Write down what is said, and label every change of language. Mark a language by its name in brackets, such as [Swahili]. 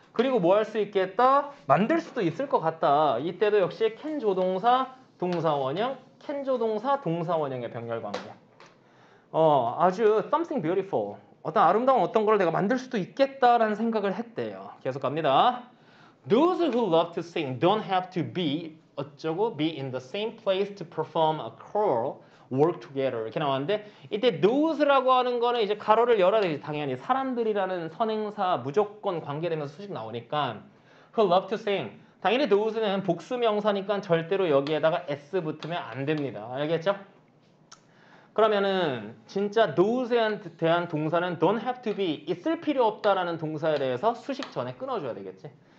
[Korean] 그리고 뭐 할 수 있겠다? 만들 수도 있을 것 같다. 이때도 역시 can 조동사, 동사 원형, can 조동사, 동사 원형의 병렬 관계. 아주 [English] something beautiful. [Korean] 어떤 아름다운 어떤 걸 내가 만들 수도 있겠다라는 생각을 했대요. 계속 갑니다. [English] Those who love to sing don't have to be [Korean] 어쩌고 [English] be in the same place to perform a choral work together. [Korean] 이렇게 나왔는데 이때 those라고 하는 거는 이제 가로를 열어야 되지. 당연히 사람들이라는 선행사 무조건 관계되면서 수식 나오니까 [English] who love to sing. [Korean] 당연히 those는 복수명사니까 절대로 여기에다가 s 붙으면 안 됩니다. 알겠죠? 그러면은 진짜 those에 대한 동사는 [English] don't have to be, [Korean] 있을 필요 없다라는 동사에 대해서 수식 전에 끊어줘야 되겠지.